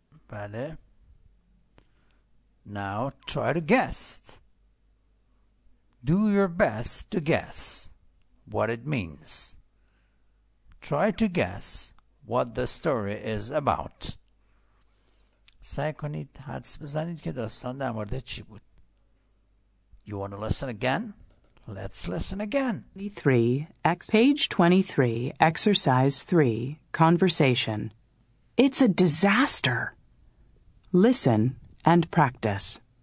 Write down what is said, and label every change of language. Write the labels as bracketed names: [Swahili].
[English] Vale. Now try to guess. Do your best to guess what it means. Try to guess what the story is about. [Persian] سعی کنید حدس بزنید که داستان در مورد چی بود. [English] You want to listen again? Let's listen again. 23, page 23, exercise 3, conversation. It's a disaster. Listen and practice.